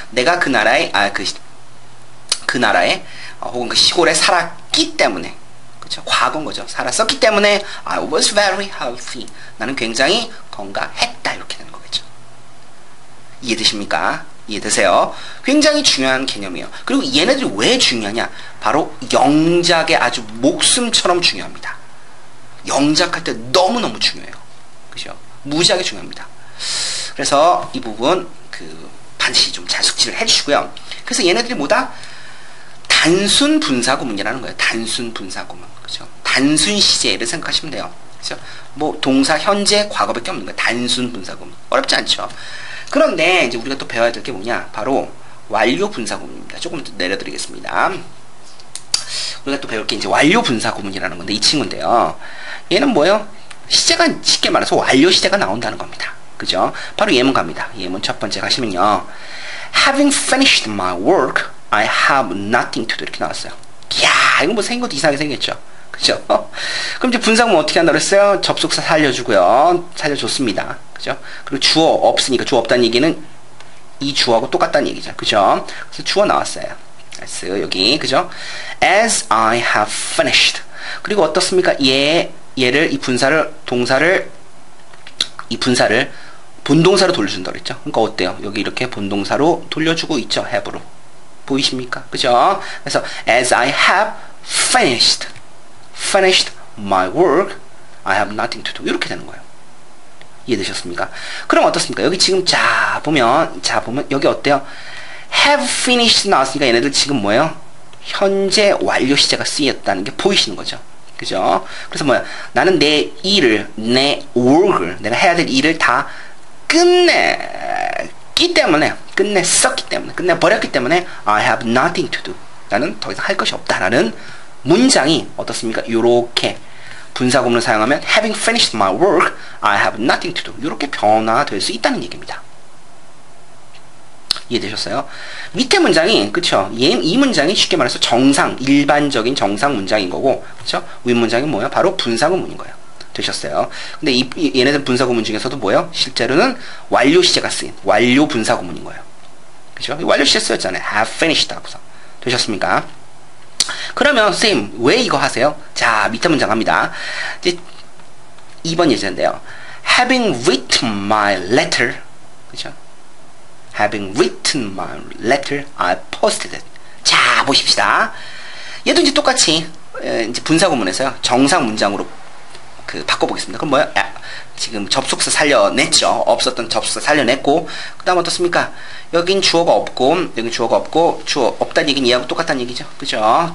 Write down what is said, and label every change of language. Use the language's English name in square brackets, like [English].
[Korean] 내가 그 나라에 아, 그 나라에 혹은 그 시골에 살았기 때문에 그렇죠? 과거인 거죠. 살았었기 때문에 [English] I was very healthy. [Korean] 나는 굉장히 건강했다. 이렇게 되는 거겠죠. 이해되십니까? 이해되세요? 굉장히 중요한 개념이에요. 그리고 얘네들이 왜 중요하냐? 바로 영작의 아주 목숨처럼 중요합니다. 영작할 때 너무너무 중요해요. 그죠? 무지하게 중요합니다. 그래서 이 부분 그 반드시 좀 잘 숙지를 해주시고요. 그래서 얘네들이 뭐다? 단순 분사구문이라는 거예요. 단순 분사구문. 그죠? 단순 시제를 생각하시면 돼요. 그죠? 뭐 동사 현재 과거밖에 없는 거예요. 단순 분사구문. 어렵지 않죠? 그런데 이제 우리가 또 배워야 될 게 뭐냐? 바로 완료 분사구문입니다. 조금 더 내려드리겠습니다. 우리가 또 배울 게 이제 완료 분사구문이라는 건데 이 친구인데요. 얘는 뭐예요? 시제가 쉽게 말해서 완료 시제가 나온다는 겁니다. 그죠? 바로 예문 갑니다. 예문 첫 번째 가시면요. [English] Having finished my work, I have nothing to do. [Korean] 이렇게 나왔어요. 이야, 이거 뭐 생긴 것도 이상하게 생겼죠? 그죠? 그럼 이제 분사구문 어떻게 한다고 했어요? 접속사 살려주고요. 살려줬습니다. 그죠? 그리고 주어 없으니까 주어 없다는 얘기는 이 주어하고 똑같다는 얘기죠. 그죠? 그래서 주어 나왔어요. 여기 그죠? [English] As I have finished. [Korean] 그리고 어떻습니까? 얘를 이 분사를 동사를 이 분사를 본동사로 돌려준다 그랬죠? 그러니까 어때요? 여기 이렇게 본동사로 돌려주고 있죠? Have로 보이십니까? 그죠? [English] 그래서 As I have finished my work, I have nothing to do. [Korean] 이렇게 되는 거예요. 이해되셨습니까? 그럼 어떻습니까? 여기 지금 자 보면 여기 어때요? Have finished 나왔으니까 얘네들 지금 뭐예요? 현재 완료 시제가 쓰였다는 게 보이시는 거죠. 그죠? 그래서 뭐야? 나는 내 일을, 내 work을, 내가 해야 될 일을 다 끝냈기 때문에, 끝냈었기 때문에, 끝내버렸기 때문에 [English] I have nothing to do. [Korean] 나는 더 이상 할 것이 없다. 라는 문장이 어떻습니까? 요렇게 분사구문을 사용하면 [English] Having finished my work, I have nothing to do. [Korean] 요렇게 변화될 수 있다는 얘기입니다. 이해되셨어요? 밑에 문장이 그렇죠? 이 문장이 쉽게 말해서 정상, 일반적인 정상 문장인 거고 그렇죠? 윗 문장이 뭐예요? 바로 분사구문인 거예요. 되셨어요? 근데 얘네들 분사구문 중에서도 뭐예요? 실제로는 완료 시제가 쓰인 완료 분사구문인 거예요. 그렇죠? 완료 시제 쓰였잖아요. [English] Have finished 하고서. [Korean] 되셨습니까? 그러면 선생님 왜 이거 하세요? 자, 밑에 문장 갑니다. 이제 2번 예제인데요. [English] Having written my letter 그렇죠? Having written my letter, I posted it. [Korean] 자, 보십시다. 얘도 이제 똑같이 이제 분사구문에서요. 정상 문장으로 그 바꿔보겠습니다. 그럼 뭐야? 지금 접속사 살려냈죠. 없었던 접속사 살려냈고 그 다음 어떻습니까? 여긴 주어가 없고 여긴 주어가 없고 주어 없다는 얘기는 얘하고 똑같다는 얘기죠. 그죠?